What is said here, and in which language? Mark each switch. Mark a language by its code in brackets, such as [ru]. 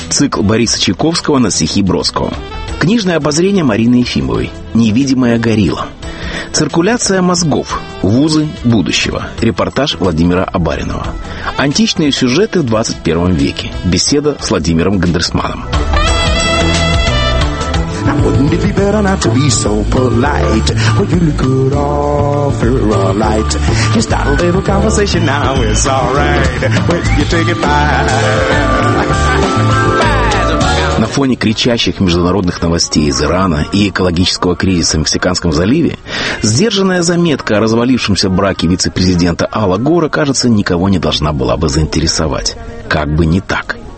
[ru] Цикл Бориса Чайковского на стихи Бродского. Книжное обозрение Марины Ефимовой. «Невидимая горилла». Циркуляция мозгов. Вузы будущего. Репортаж Владимира Абаринова. Античные сюжеты в 21 веке. Беседа с Владимиром Гандерсманом. [en] Now wouldn't it be better not to be so polite? Well, you look good all through a light. You start a little conversation, now it's all right. Well, you take it back. [ru] На фоне кричащих международных новостей из Ирана и экологического кризиса в Мексиканском заливе, сдержанная заметка о развалившемся браке вице-президента Ала Гора, кажется, никого не должна была бы заинтересовать. Как бы не так.